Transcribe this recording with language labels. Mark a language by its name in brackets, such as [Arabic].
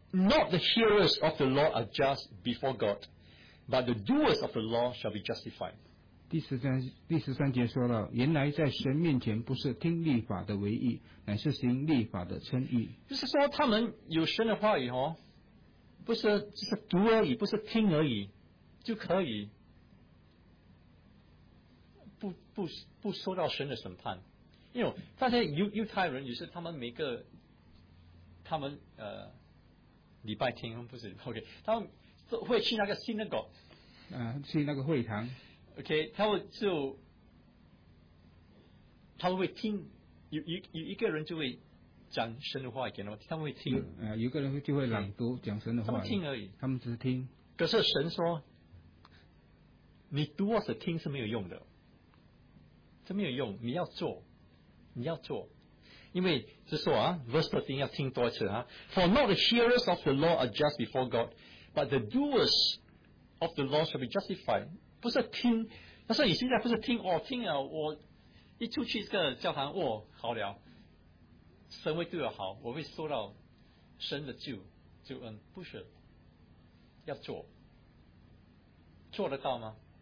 [English] Not the hearers of the law are just before God, but the doers of the law shall be justified. [Chinese] 第十三节说了，原来在神面前不是听律法的为义，乃是行律法的称义。就是说，他们有神的话语哦，不是只是读而已，不是听而已就可以，不受到神的审判。因为大家犹太人，也是他们每个他们礼拜天不是 OK， 他们会去那个 synagogue，去那个会堂，OK， 他们会听有一个人就会讲神的话给他们，他们会听，有个人就会朗读讲神的话，他们听而已，他们只是听。可是神说，你读或者听是没有用的，是没有用，你要做。因为是说啊 ，verse 13要听多一次啊。 [English] For not the hearers of the law are just before God, but the doers of the law shall be justified. [Chinese] 不是听，那时候你现在不是听哦，听啊，我一出去这个教堂，哦，好了，神会对我好，我会受到神的救恩，不是，要做得到吗？